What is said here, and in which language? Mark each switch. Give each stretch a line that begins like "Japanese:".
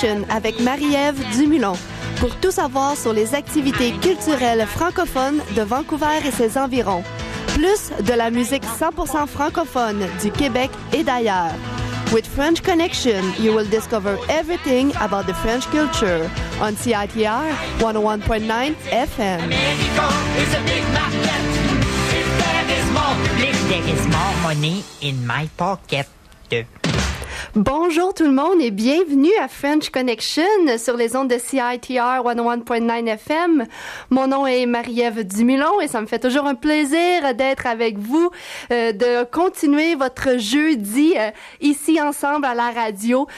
French: Avec Marie-Ève Dumoulin pour tout savoir sur les activités culturelles francophones de Vancouver et ses environs, plus de la musique 100% francophone du Québec et d'ailleurs.
English: With French Connection, you will discover everything about the French culture on CITR 101.9 FM.
French: Bonjour tout le monde et bienvenue à French Connection sur les ondes de CITR 101.9 FM. Mon nom est Marie-Ève Dumoulin et ça me fait toujours un plaisir d'être avec vous, de continuer votre jeudi ici ensemble à la radio.